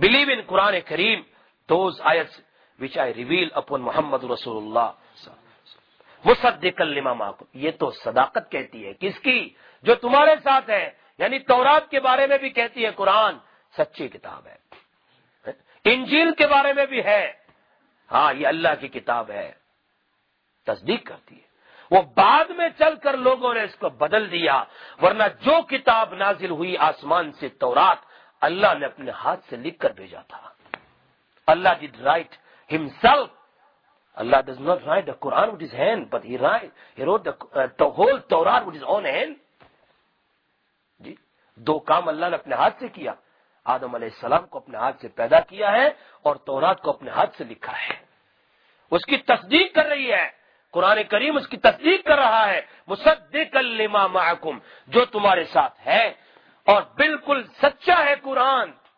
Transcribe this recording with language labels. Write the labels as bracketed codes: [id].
[en] believe in Quran e Kareem, those ayats which I reveal upon Muhammadur Rasulullah. [ar] مصدق لما معکم، [ur] یہ تو صداقت کہتی ہے. کس کی؟ جو تمہارے ساتھ ہے، یعنی تورات کے بارے میں بھی کہتی ہے، قرآن سچی کتاب ہے، انجیل کے بارے میں بھی ہے، ہاں یہ اللہ کی کتاب ہے، تصدیق کرتی ہے. وہ بعد میں چل کر لوگوں نے اس کو بدل دیا، ورنہ جو کتاب نازل ہوئی آسمان سے تورات اللہ نے اپنے ہاتھ سے لکھ کر بھیجا تھا. [en] اللہ did write himself. Allah does not write the Quran with his hand, but he wrote the whole Torah with his own hand. [ur] جی دو کام اللہ نے اپنے ہاتھ سے کیا، آدم علیہ السلام کو اپنے ہاتھ سے پیدا کیا ہے اور تورات کو اپنے ہاتھ سے لکھا ہے. اس کی تصدیق کر رہی ہے قرآن کریم، اس کی تصدیق کر رہا ہے. [ar] مصدق لما معکم، [ur] جو تمہارے ساتھ ہے اور بالکل سچا ہے قرآن.